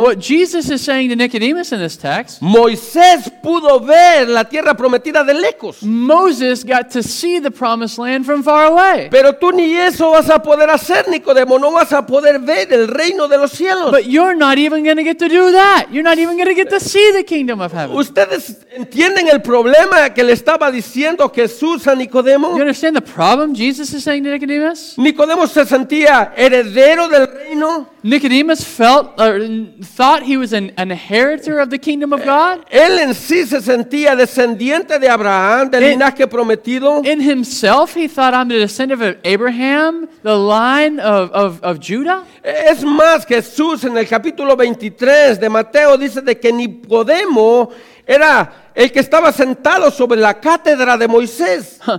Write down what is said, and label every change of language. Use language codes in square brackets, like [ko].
[en] What Jesus is saying to Nicodemus in this text. [es] Moisés pudo ver la tierra prometida de lejos. [en] Moses got to see the promised land from far away. [es] Pero tú ni eso vas a poder hacer, Nicodemo. No vas a poder ver el reino de los cielos. [en] But you're not even going to get to do that. You're not even going to get to see the kingdom of heaven. [es] ¿Ustedes entienden el problema que le estaba diciendo Jesús a Nicodemo? [en] You understand the problem Jesus is saying to Nicodemus? [es] Nicodemo se sentía heredero del reino. [en] Nicodemus felt or thought he was an inheritor of the kingdom of God. [es] Él en sí se sentía descendiente de Abraham, del linaje prometido. [en] In himself, he thought, I'm the descendant of Abraham, the line of Judah. [es] Es más, Jesús en el capítulo 23 de Mateo dice de que Nicodemo era el que estaba sentado sobre la cátedra de Moisés.